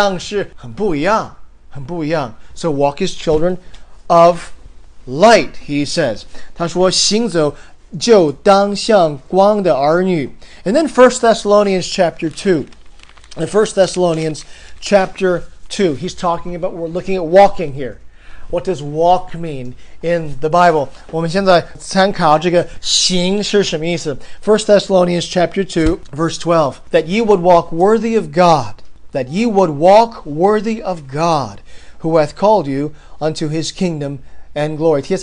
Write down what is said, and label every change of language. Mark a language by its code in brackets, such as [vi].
[zh] 如果你是基督徒的话,你现在的样式,现在的本性跟以前的就是你相信主耶稣以前的本事样式很不一样。 [en] So, walk as children of light, he says. [zh] 他说,行走就当像光的儿女. [en] And then 1 Thessalonians chapter 2. In 1 Thessalonians chapter 2, he's talking about, we're looking at walking here. What does walk mean in the Bible? [zh] 我们现在参考这个行是什么意思? [en] 1 Thessalonians chapter 2, verse 12. That ye would walk worthy of God. That ye would walk worthy of God, who hath called you unto his kingdom and glory.